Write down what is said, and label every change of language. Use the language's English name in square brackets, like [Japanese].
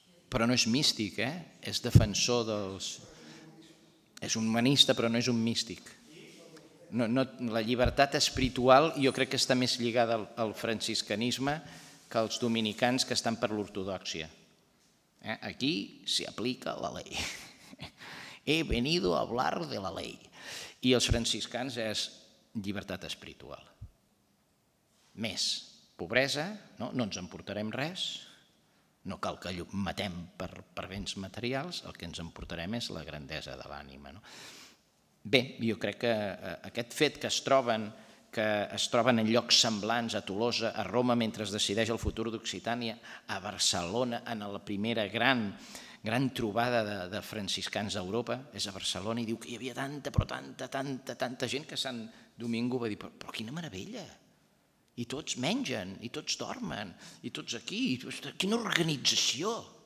[Catalan] Però no és místic, eh? És defensor dels... És un humanista, però no és un místic. No, no, la llibertat espiritual jo crec que està més lligada al franciscanisme que als dominicans que estan per l'ortodoxia. Aquí s'hi aplica la llei. [Spanish] He venido a hablar de la llei. [Catalan] I els franciscans és llibertat espiritual. Més pobresa, no? No ens emportarem res, no cal que matem per béns materials, el que ens emportarem és la grandesa de l'ànima. No? Bé, jo crec que aquest fet que es troben en llocs semblants a Tolosa, a Roma, mentre es decideix el futur d'Occitània, a Barcelona, en la primera gran trobada de franciscans d'Europa, és a Barcelona, i diu que hi havia tanta, però tanta gent que Sant Domingo va dir, però quina meravella, i tots mengen, i tots dormen, i tots aquí, i quina organització.